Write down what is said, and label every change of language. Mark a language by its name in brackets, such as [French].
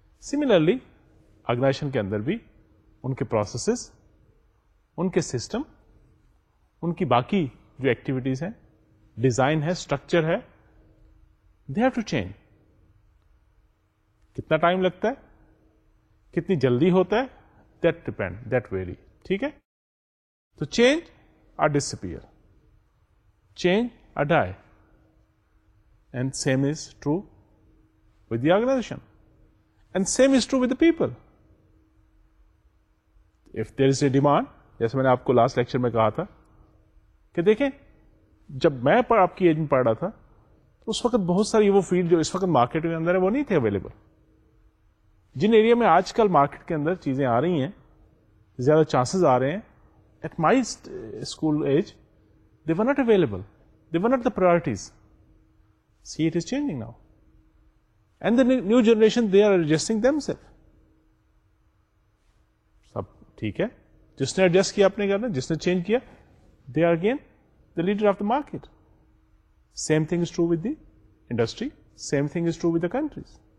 [Urdu] Similarly organization کے اندر بھی ان کے پروسیسز, ان کے سسٹم, ان کی باقی جو ایکٹیویٹیز ہیں, ڈیزائن ہے, اسٹرکچر ہے, [English] They have to change. [Urdu] کتنا ٹائم لگتا ہے, کتنی جلدی ہوتا ہے, [English] That depend, that vary. ٹھیک ہے, تو change are disappear, change are die, and same is true with the organisation, and same is true with the people. If there is a demand, [Urdu] جیسے میں نے آپ کو لاسٹ لیکچر میں کہا تھا کہ دیکھیں جب میں آپ کی ایج میں پڑھ رہا تھا تو اس وقت بہت ساری وہ فیلڈ جو اس وقت مارکیٹ کے اندر ہے وہ نہیں تھے اویلیبل. جن ایریا میں آج کل مارکیٹ کے اندر چیزیں آ رہی ہیں, زیادہ چانسز آ رہے ہیں, [English] At my school age they were not available, they were not the priorities. See it is changing now and the new generation they are adjusting them self. [Urdu] سب ٹھیک ہے, جس نے ایڈجسٹ کیا اپنے گھر میں, جس نے چینج کیا, [English] They are again the leader of the market. Same thing is true with the industry, same thing is true with the countries.